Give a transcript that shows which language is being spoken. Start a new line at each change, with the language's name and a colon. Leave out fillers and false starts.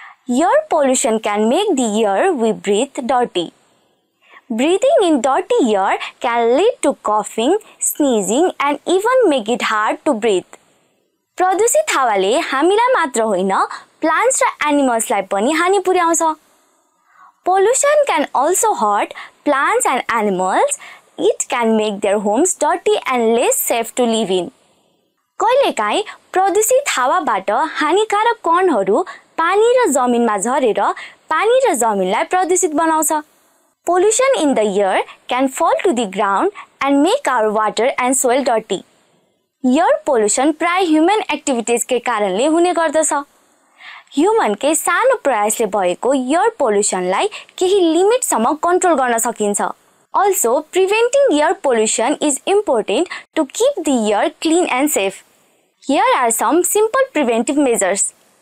English: air pollution can make the air we breath dirty breathing in dirty air can lead to कफिङ स्निजिङ and even make it hard to breath
Nepali: प्रदूषित हावाले हामीलाई मात्र होइन plants र एनिमल्सलाई पनि हानि पुर्याउँछ
English: Pollution can also hurt plants and animals. It can make their homes dirty and less safe to live in.
Nepali: कहिलेकाहीँ प्रदूषित हावाबाट हानिकारक कणहरू पानी र जमिनमा झरेर पानी र जमिनलाई प्रदूषित बनाउँछ
English: Pollution in the air can fall to the ground and make our water and soil dirty. Air pollution
Nepali: प्राय ह्युमन एक्टिभिटिजकै कारणले हुने गर्दछ ह्युमनकै सानो प्रयासले भएको एयर पोल्युसनलाई केही लिमिटसम्म कन्ट्रोल गर्न सकिन्छ
English: also preventing air pollution is important to keep the air clean and safe here are some simple preventive measures